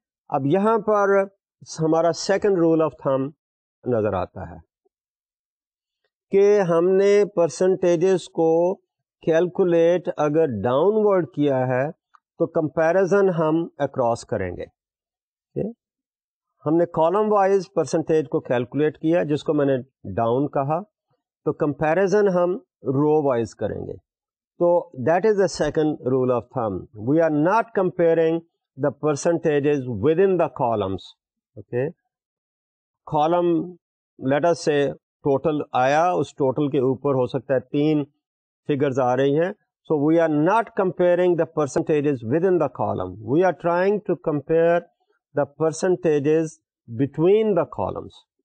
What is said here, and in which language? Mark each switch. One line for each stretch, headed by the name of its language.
Urdu: Ab yahan par hamara
English: second rule of thumb
Urdu: nazar aata hai ke humne percentages ko calculate agar downward kiya hai تو comparison ہم across کریں گے. ہم نے column wise percentage کو calculate کیا جس کو میں نے ڈاؤن کہا, تو کمپیریزن ہم رو وائز کریں گے.
English: تو that is a second rule of thumb, we are not comparing the percentages within the columns.
Urdu: Okay, column let اس سے ٹوٹل آیا, اس ٹوٹل کے اوپر ہو سکتا ہے تین فگرز آ رہی ہیں,
English: so we are not comparing the percentages within the column, we are trying to compare the percentages between the columns.